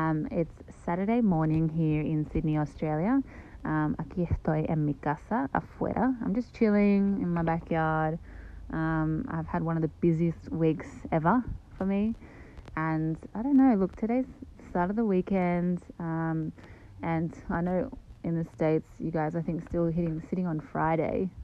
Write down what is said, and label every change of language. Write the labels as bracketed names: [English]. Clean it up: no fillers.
[English] It's Saturday morning here in Sydney, Australia. [Spanish] Aquí estoy en mi casa, afuera. [English] I'm just chilling in my backyard. I've had one of the busiest weeks ever for me. And I don't know, look, today's the start of the weekend. And I know in the States, you guys, I think, still sitting on Friday.